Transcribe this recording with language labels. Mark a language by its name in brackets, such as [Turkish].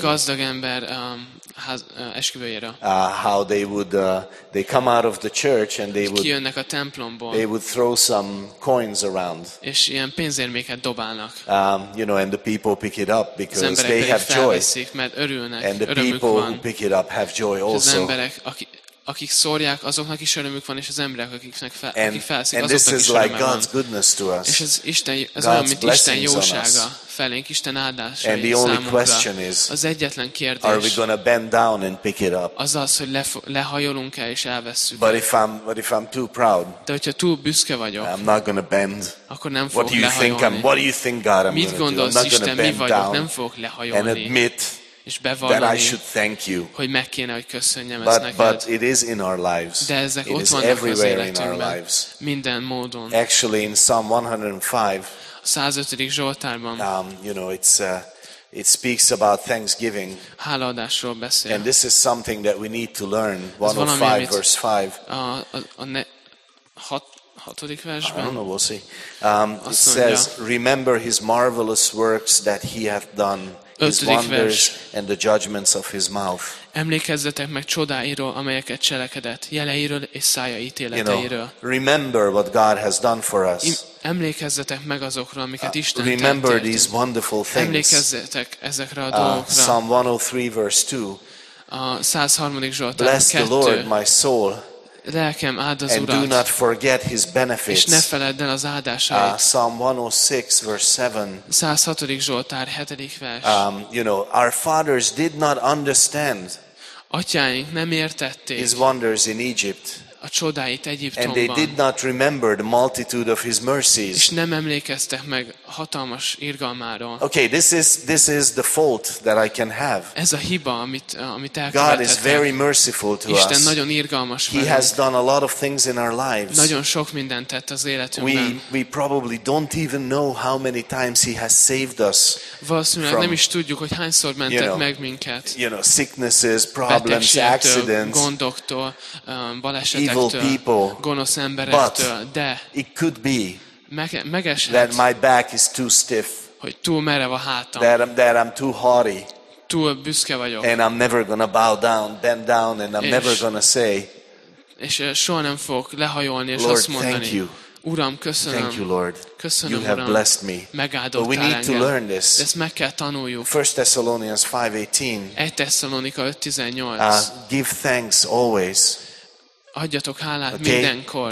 [Hungarian] Egy gazdag ember esküvőjére. [English] How they come out of the church and they would [Hungarian] kijönnek a templomból. [English] They would throw some coins around. [Hungarian] És ilyen pénzérméket dobálnak. [English] You know, and the people pick it up because they have joy. [Hungarian] Az emberek felveszik, mert örülnek, [English] and the people who pick it up have joy also. [Hungarian] Az emberek, akik szórják, azoknak is örömük van, és az emberek, akiknek fel, [English] and, [Hungarian] akik felszik, [English] and [Hungarian] azoknak [English] this is [Hungarian] is [English] like [Hungarian] örömük [English] God's goodness to us. [Hungarian] És ez Isten, ez olyan, mint Isten jósága felénk, Isten áldása. [English] And the only question is, [Hungarian] az egyetlen kérdés, [English] are we gonna bend down and pick it up? [Hungarian] Az az, hogy lehajolunk-e és elvesszük. [English] But if I'm too proud, [Hungarian] de hogyha túl büszke vagyok, [English] I'm not gonna bend. [Hungarian] Akkor nem fogok lehajolni. [English] What do you think, God? [Hungarian] Mit gondolsz, Isten, mi vagyok? Nem fogok lehajolni. [English] And admit [Hungarian] és bevallani, [English] that I should thank you. [Hungarian] Hogy meg kéne, hogy köszönjem [English] but, [Hungarian] ezt neked. [English] But it is in our lives. [Hungarian] De ezek [English] it [Hungarian] ott vannak [English] everywhere [Hungarian] az életünkben. [English] In our lives. [Hungarian] Minden módon. [English] Actually in Psalm 105. [Hungarian] A 105. Zsoltárban. [English] You know, it speaks about thanksgiving. [Hungarian] Hálaadásról beszél. [English] And this is something that we need to learn. 105 verse 5. [Hungarian] Hatodik versben. [English] I don't know, we'll see. It says, remember his marvelous works that he hath done. His wonders and the judgments of his mouth. [Hungarian] Emlékezzetek meg csodáiról, amelyeket cselekedett, jeleiről és szája ítéleteiről. [English] You know, remember what God has done for us. [Hungarian] Emlékezzetek meg azokról, amiket Isten tett. [English] Remember these wonderful things. [Hungarian] Emlékezzetek ezekre a dolgokra. [English] Psalm 103 verse 2. [Hungarian] A 103. Zsoltár 2. [English] Bless the Lord, my soul. [Hungarian] Lelkem, áld az Urat. [English] And do not forget his benefits. [Hungarian] És ne feledd el az áldásait. [English] Psalm 106 verse 7. [Hungarian] 106. Zsoltár 7. vers. [English] You know, our fathers did not understand. [Hungarian] Atyáink nem értették. [English] His wonders in Egypt. [Hungarian] A csodáit Egyiptomban. [English] And they did not remember the multitude of his mercies. [Hungarian] És nem emlékeztek meg hatalmas irgalmáról. [English] Okay, this is the fault that I can have. [Hungarian] Ez a hiba, amit elkövethetek. [English] God is very merciful to [Hungarian] Isten [English] us. [Hungarian] Isten nagyon irgalmas velünk. [English] He has done a lot of things in our lives. [Hungarian] Nagyon sok mindent tett az életünkben. [English] We probably don't even know how many times he has saved us. [Hungarian] Valószínűleg nem is tudjuk, hogy hányszor mentett [English] you know, [Hungarian] meg minket. [English] You know, sicknesses, problems, accidents, [Hungarian] gondoktól, balesetektől, [English] evil people, [Hungarian] gonosz emberektől, de [English] it could be [Hungarian] megeshet, [English] that my back is too stiff, [Hungarian] hogy túl merev a hátam, [English] that I'm too haughty, [Hungarian] túl büszke vagyok, [English] and I'm never gonna bow down, bend down, and I'm never gonna say, [Hungarian] és soha nem fogok lehajolni, és [English] Lord, [Hungarian] azt mondani, [English] thank you. [Hungarian] Uram, köszönöm. [English] Thank you, Lord. [Hungarian] Köszönöm, [English] you [Hungarian] Uram. [English] Have blessed me. [Hungarian] Megáldottál engem. [English] But we need to learn this. [Hungarian] Ezt meg kell tanuljuk. [English] 1 Thessalonians 5:18. [Hungarian] 1 Thessalonika 5:18. [English] Give thanks always. [Hungarian] Adjatok hálát mindenkor.